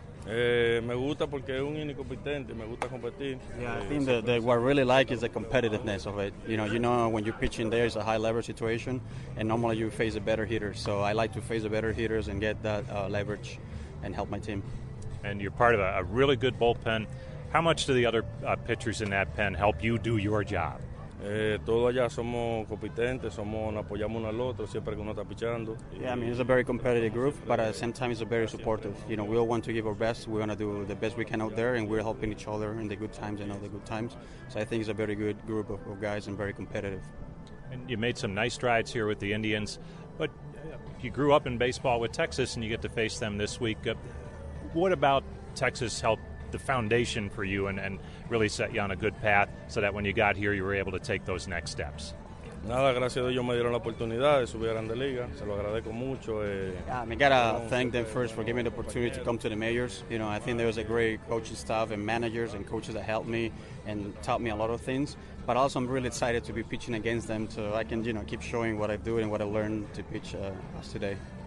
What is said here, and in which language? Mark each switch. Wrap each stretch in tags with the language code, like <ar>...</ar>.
<en>Yeah, I think that what I really like is the competitiveness of it. You know, when you're pitching there, it's a high-leverage situation, and normally you face a better hitter. So I like to face a better hitters and get that leverage and help my team. And you're part of a really good bullpen. How much do the other pitchers in that pen help you do your job?</en> <es>Todos allá somos competentes, somos apoyamos uno al otro siempre que uno está pichando.</es> <en>Yeah, I mean, it's a very competitive group, but at the same time, it's a very supportive. You know, we all want to give our best. We want to do the best we can out there, and we're helping each other in the good times and all the good times. So I think it's a very good group of guys and very competitive. And you made some nice strides here with the Indians, but you grew up in baseball with Texas, and you get to face them this week. What about Texas helped the foundation for you and really set you on a good path so that when you got here you were able to take those next steps?</en> <es>Nada, gracias a Dios me dieron la oportunidad de subir a Grande Liga. Se lo agradezco mucho.</es> <en>Yeah, I gotta thank them first for giving me the opportunity to come to the majors. You know, I think there was a great coaching staff and managers and coaches that helped me and taught me a lot of things. But also I'm really excited to be pitching against them so I can, you know, keep showing what I do and what I learned to pitch us today.</en>